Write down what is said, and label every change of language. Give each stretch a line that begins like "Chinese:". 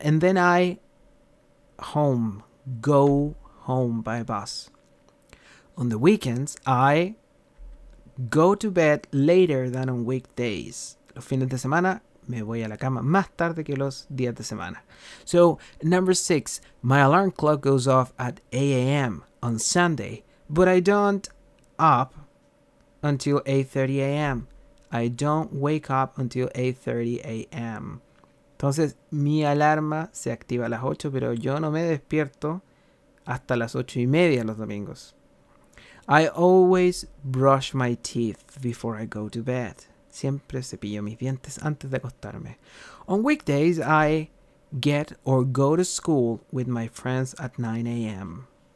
English: and then I home, go home by bus. On the weekends, I go to bed later than on weekdays.
Spanish: Los fines de semana, me voy a la cama más tarde que los días de semana.
English: So, number 6, my alarm clock goes off at 8 a.m. on Sunday, but I don't up until 8:30 a.m. I don't wake up until 8:30 a.m.
Spanish: Entonces, mi alarma se activa a las 8, pero yo no me despierto hasta las 8 y media los domingos.
English: I always brush my teeth before I go to bed.
Spanish: Siempre cepillo mis dientes antes de acostarme.
English: On weekdays, I get or go to school with my friends at 9 a.m.